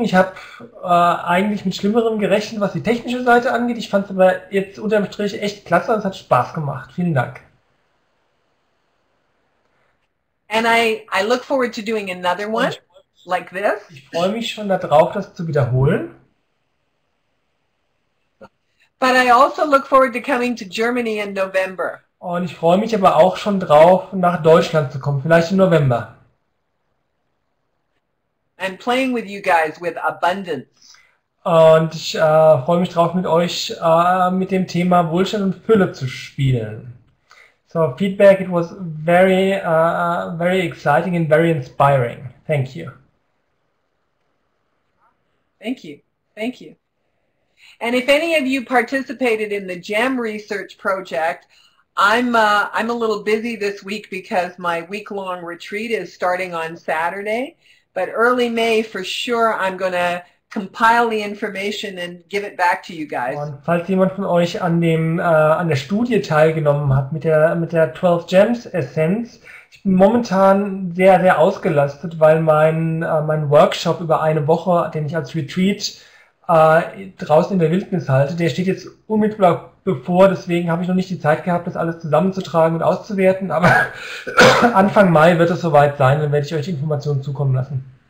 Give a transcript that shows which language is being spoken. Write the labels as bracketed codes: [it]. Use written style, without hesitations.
[de] Ich habe eigentlich mit Schlimmerem gerechnet, was die technische Seite angeht. Ich fand es aber jetzt unterm Strich echt klasse, und es hat Spaß gemacht. Vielen Dank. [en] And I look forward to doing another one like this. [de] Ich freue mich schon darauf, das zu wiederholen. [en] But I also look forward to coming to Germany in November. [de] Und ich freue mich aber auch schon drauf, nach Deutschland zu kommen, vielleicht im November. [en] And playing with you guys with abundance. [de] Und ich freue mich drauf, mit euch mit dem Thema Wohlstand und Fülle zu spielen. [en] So, feedback, it was very, very exciting and very inspiring. Thank you. Thank you. Thank you. And if any of you participated in the GEM research project, I'm a little busy this week because my week-long retreat is starting on Saturday. But early May, for sure, I'm going to compile the information and give it back to you guys. [de] Und falls jemand von euch an dem an der Studie teilgenommen hat mit der 12 Gems Essenz, ich bin momentan sehr, sehr ausgelastet, weil mein Workshop über eine Woche, den ich als Retreat draußen in der Wildnis halte, der steht jetzt unmittelbar bevor, deswegen habe ich noch nicht die Zeit gehabt, das alles zusammenzutragen und auszuwerten, aber Anfang Mai wird es soweit sein, dann werde ich euch die Informationen zukommen lassen.